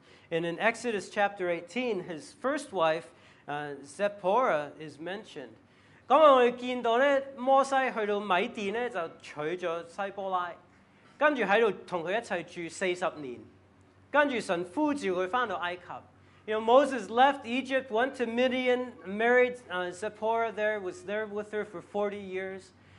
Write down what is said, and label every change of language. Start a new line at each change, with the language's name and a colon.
English: And in Exodus chapter 18, his first wife, Zipporah, is mentioned.
Chinese: 刚才我们见到摩西去到米甸就娶了西波拉，跟着在那里跟他一起住40年，跟着神呼召他回到埃及。
English: You know, Moses left Egypt, went to Midian, married Zipporah there, was there with her for 40 years.